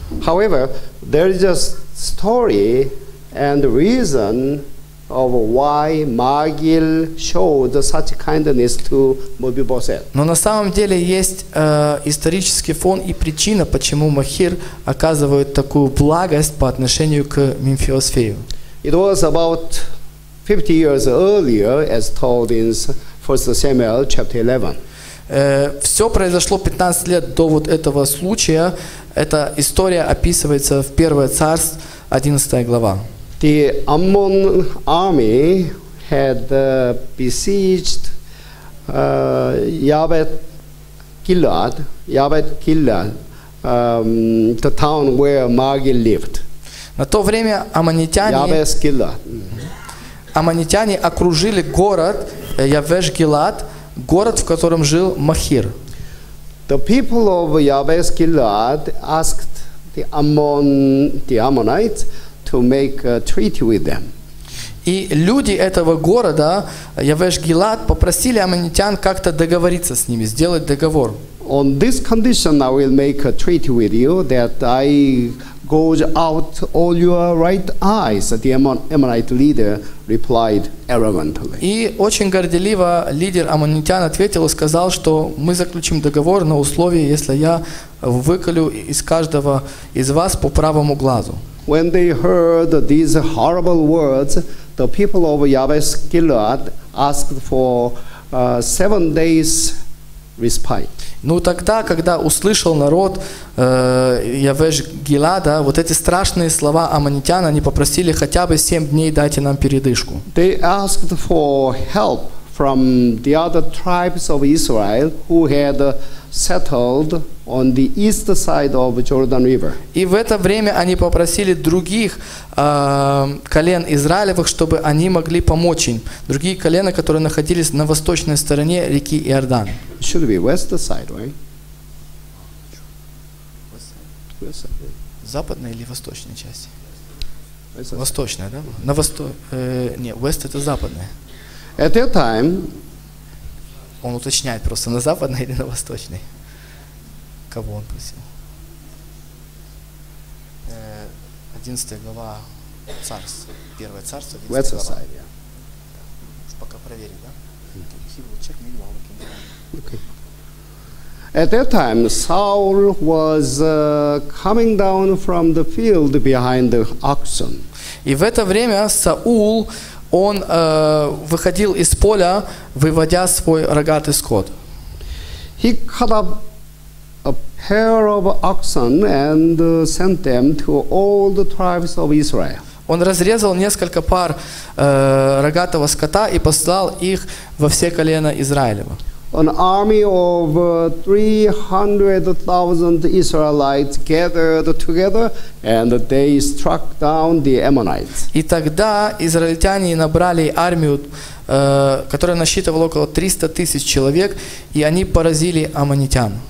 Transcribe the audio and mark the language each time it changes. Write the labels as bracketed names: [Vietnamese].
[English] However, there is a story and reason of why Magil showed such kindness to Mephibosheth. [Russian] Но на самом деле есть исторический фон и причина, почему Махир оказывает такую благость по отношению к Мефибосету. [English] It was about 50 years earlier, as told in 1 Samuel chapter 11. [Russian] Все произошло 15 лет до вот этого случая. Эта история описывается в 1 Царств, 11 глава. [English] The Ammon army had besieged Yabet Gilead, the town where Magil lived. [Russian] На то время аммонитяне окружили город Явеш Гилад, город, в котором жил Махир. [English] The people of Yabesh Gilead asked the Ammonites to make a treaty with them. [Russian] И люди этого города Явеш Гилад попросили аммонитян как-то договориться с ними, сделать договор. [English] On this condition I will make a treaty with you that I gouge out all your right eyes, the Ammonite leader replied arrogantly. [Russian] И очень горделиво лидер аммонитян ответил и сказал, что мы заключим договор на условии, если я выколю из каждого из вас по правому глазу. [English] When they heard these horrible words, the people of Yabesh Gilead asked for 7 days respite. [Russian] Ну тогда, когда услышал народ Явеш Гилада, вот эти страшные слова аммонитян, они попросили хотя бы 7 дней дайте нам передышку. [English] They asked for help from the other tribes of Israel who had settled on the east side of Jordan River. [Russian] И в это время они попросили других колен Израилевых, чтобы они могли помочь им. Другие колена, которые находились на восточной стороне реки Иордан. [English] Should be west side, right? [Russian] Западная или восточная часть? Восточная, да? На восток. Нет, west это западная. [English] At that time. [Russian] Он уточняет просто на западной или на восточной. Кого он просил? 11 глава Царств. Первое Царство. [English] West side, yeah. [Russian] Пока проверим, да? [English] Okay. At that time, Saul was coming down from the field behind the oxen. [Russian] И в это время Саул, он выходил из поля, выводя свой рогатый скот. [English] He cut up a pair of oxen and sent them to all the tribes of Israel. [Russian] Он разрезал несколько пар рогатого скота и послал их во все колена Израилева. [English] An army of 300,000 Israelites gathered together, and they struck down the Ammonites. [Russian] И тогда израильтяне набрали армию, которая насчитывала около 300 тысяч человек, и они поразили аммонитян.